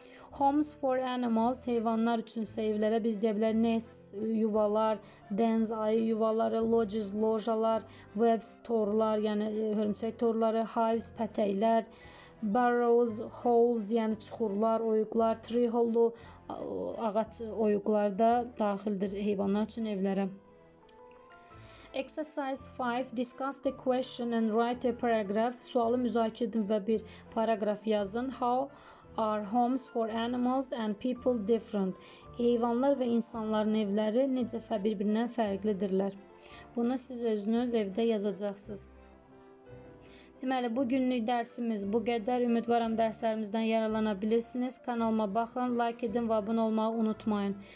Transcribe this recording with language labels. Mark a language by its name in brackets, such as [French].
[English] Homes for animals, [Azerbaijani] heyvanlar üçün evlərə biz deyə bilərik nest, yuvalar, dens, ayı yuvaları, lodges, lojalar, web store-lar, yəni hörümçək torları, hives, pətəklər, burrows, holes, yəni çuxurlar, oyuqlar, tree hollow, ağac oyuqları da daxildir heyvanlar üçün evlərə. [English] Exercise 5. Discuss the question and write a paragraph. [Azerbaijani] Sualı müzakirə edin və bir paragraf yazın. [English] How are homes for animals and people different? [Azerbaijani] Heyvanlar və insanların evləri necə bir-birindən fərqlidirlər? Bunu siz özünüz evdə yazacaqsınız. Deməli, bugünlük dərsimiz bu qədər. Ümidvaram dərslərimizdən yararlana bilirsiniz. Kanalıma baxın, like edin və abunə olmağı unutmayın.